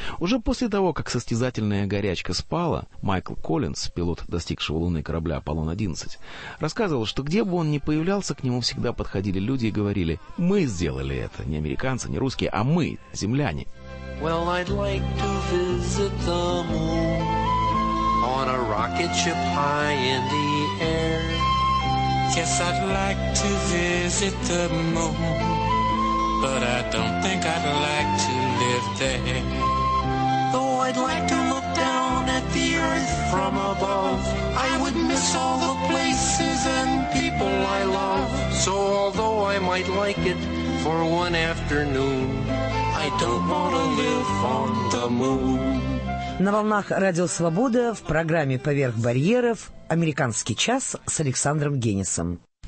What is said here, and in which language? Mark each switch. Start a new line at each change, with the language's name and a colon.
Russian: Уже после того, как состязательная горячка спала, Майкл Коллинз, пилот достигшего Луны корабля «Аполлон-11», рассказывал, что где бы он ни появлялся, к нему всегда подходили люди и говорили: «Мы сделали это, не американцы, не русские, а мы, земляне».
English: Well, I'd like to visit the moon. On a rocket ship high in the air. Yes, I'd like to visit the moon, but I don't think I'd like to live there. Though I'd like to look down at the earth from above, I would miss all the places and people I love. So although I might like it for one afternoon, I don't want to live on the moon.
Russian: На волнах «Радио Свобода» в программе «Поверх барьеров» «Американский час» с Александром Генисом.